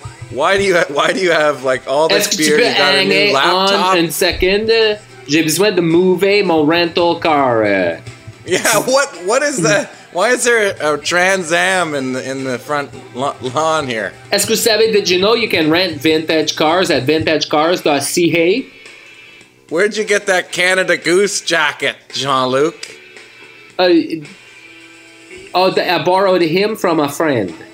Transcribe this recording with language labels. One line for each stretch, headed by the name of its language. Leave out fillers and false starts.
English: Why do you have like all this beer? You got a new laptop.
French: On une seconde, j'ai besoin de mover mon
English: rental car. Yeah. What is that? Why is there a Trans Am in the front lawn here?
French: Est-ce que vous savez,
English: did you know you can rent vintage cars at vintagecars.ca? Where'd you get that Canada Goose jacket, Jean-Luc? I borrowed him from a friend.